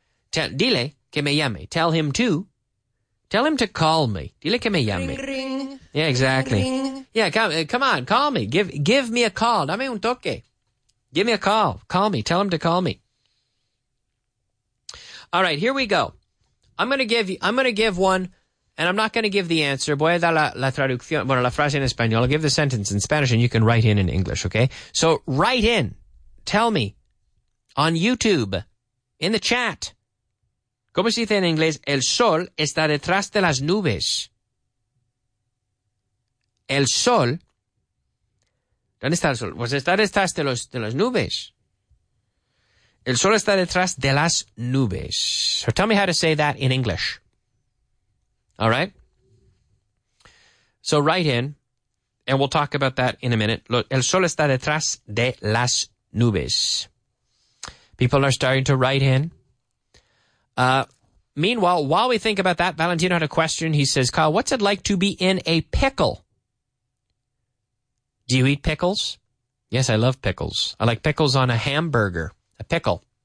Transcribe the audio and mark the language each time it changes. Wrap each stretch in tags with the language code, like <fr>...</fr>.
<es>Dile que me llame.</es> <en>Tell him to. Tell him to call me.</en> <es>Dile que me llame.</es> <en>Ring, ring. Yeah, exactly. Ring. Yeah, come on, call me. Give me a call.</en> <es>Dame un toque.</es> <en>Give me a call. Call me. Tell him to call me. All right, here we go. I'm going to give one, and I'm not going to give the answer.</en> <es>Voy a dar la traducción, bueno, la frase en español.</es> <en>I'll give the sentence in Spanish, and you can write in English, okay? So write in. Tell me on YouTube, in the chat.</en> <es>¿Cómo se dice en inglés? El sol está detrás de las nubes. El sol. ¿Dónde está el sol? Pues está detrás de las nubes. El sol está detrás de las nubes.</es> <en>So tell me how to say that in English. All right? So write in, and we'll talk about that in a minute.</en> <es>Look, el sol está detrás de las nubes.</es> <en>People are starting to write in. Meanwhile, while we think about that, Valentino had a question. He says, Kyle, what's it like to be in a pickle? Do you eat pickles? Yes, I love pickles. I like pickles on a hamburger. A pickle.</en>